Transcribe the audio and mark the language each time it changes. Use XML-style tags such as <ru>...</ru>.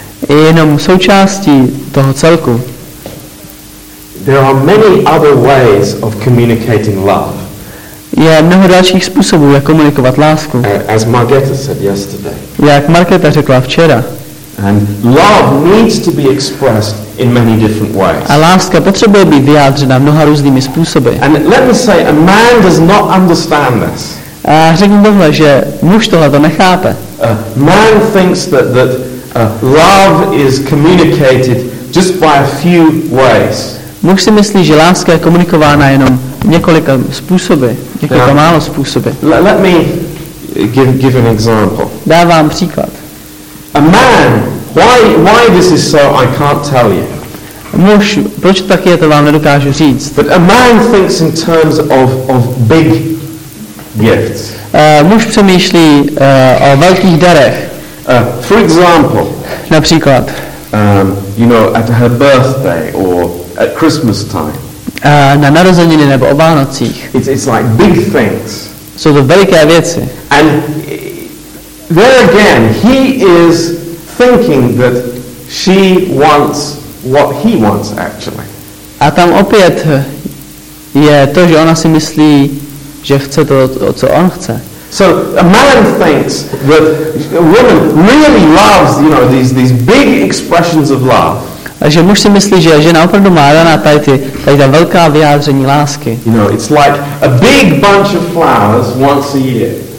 <cs>Je jenom součástí toho celku.</cs> <en>There are many other ways of communicating love.</en> <cs>Je mnoho dalších způsobů, jak komunikovat lásku.</cs> <en>As Margareta said yesterday.</en> <cs>Jak Margareta řekla včera.</cs> <en>And love needs to be expressed in many different ways.</en> <cs>A láska potřebuje být vyjádřena mnoha různými způsoby.</cs> <en>And let me say, a man does not understand this.</en> <cs>A řeknu tohle, že muž tohle to nechápe.</cs> <en>A man thinks that love is communicated just by a few ways.</en> <cs>Muž si myslí, že láska je komunikována jenom několika způsoby, několika málo způsoby.</cs> <en>Let me give an example.</en> <cs>Dávám příklad.</cs> <en>A man, why this is so, I can't tell you.</en> <cs>Muž, proč tak je, to vám nedokážu říct.</cs> <en>But a man thinks in terms of big gifts.</en> <cs>Muž přemýšlí o velkých darech.</cs> <en>For example.</en> <cs>Například.</cs> <en>You know, at her birthday or at Christmas time.</en> <cs>Na narozeniny nebo o Vánocích.</cs> <en>It's like big things.</en> <cs>Jsou to veliké věci.</cs> <en>And there again, he is thinking that she wants what he wants, actually.</en> <cs>A tam opět je to, že ona si myslí, že chce to, co on chce.</cs> <en>So a man thinks that a woman really loves, you know, these big expressions of love.</en> <cs>A že muž si myslí, že žena opravdu má daná tady ta velká vyjádření lásky.</cs> <en>You know, it's like a big bunch of flowers once a year.</en>